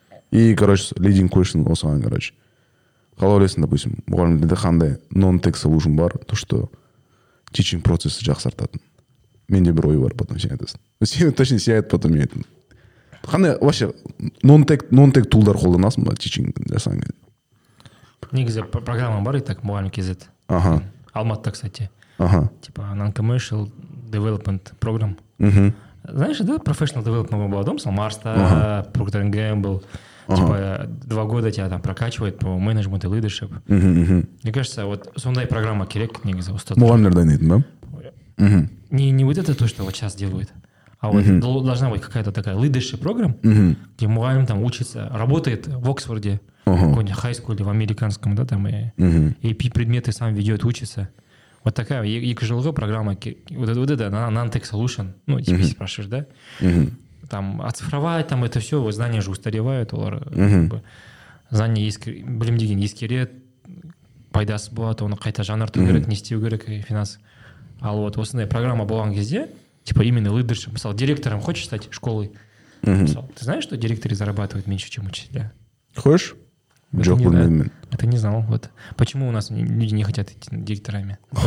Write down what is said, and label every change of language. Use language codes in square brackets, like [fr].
[kk] И, короче, leading question осыған, короче. Қалай ойлайсың, допустим, мұғалімдерде қандай non-tech solution бар, то, что teaching процесі жақсартатын. Менде бір ой бар, потом сен айтасың. Сен точно сияет, потом мен айтам. Қандай вообще non-tech тулдар қолданасың ба? Teaching жасаған кезде. негізі программа бар, и так мұғалім кезет. [ru] Ага. [kk] Алматыда, кстати. [ru] Ага. Типа, non-commercial development program. Угу. Знаешь, да, professional development был дом, сам Марста, Procter & Gamble. Типа, два года тебя там прокачивают по менеджменту, лидершип. Мне кажется, [kk] вот сондай программа керек, негізі, осы. Мұғалімдер дайындайтын, да? [ru] Не вот это то, что вот сейчас делают, а вот должна быть какая-то такая leadership программа, где мұғалім там учится, работает в Оксфорде, какой-нибудь high school в американском, да, там, и предметы сам ведет, учится. Вот такая екі жылғы программа, вот это Nantech Solution, ну, типа, спрашиваешь, да? Там, оцифровать, там, это все, вот знания же устаревают, олар, как бы, [kk] знания ескер, білім деген ескерет, пайдасы болады, оны қайта жанарту керек, не істеу керек, и финансы. Ал вот осындай программа болған кезде, типа именно лидершип, мысалы, [ru] директором хочешь стать школой? [kk] Мысалы, [ru] ты знаешь, что директоры зарабатывают меньше, чем учителя? Хочешь? [kk] Жоқ білмеймін. [ru] Это не знал. Вот. Почему у нас люди не хотят идти директорами?